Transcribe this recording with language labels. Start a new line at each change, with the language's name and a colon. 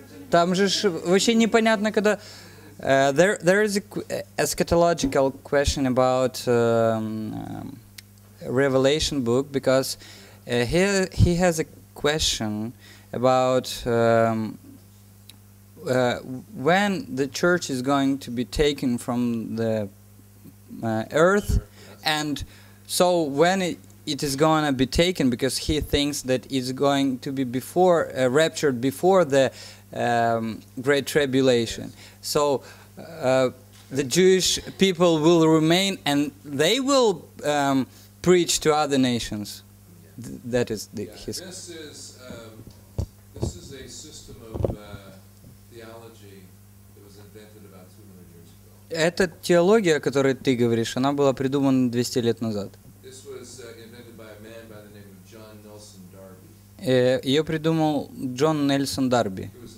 Russian: Там же вообще непонятно, когда...
English: There is an eschatological question about Revelation book, because he has a question about when the church is going to be taken from the earth, and so when it is going to be taken, because he thinks that it's going to be before raptured before the Great Tribulation. So the Jewish people will remain and they will preach to other nations. That is the, his. This is a system of theology that was invented about 200 years ago.
Russian: Эта теология, о которой ты говоришь, она была придумана 200 лет назад.
English: This was invented by a man by the name of John Nelson Darby.
Russian: Ее придумал Джон Нельсон Дарби.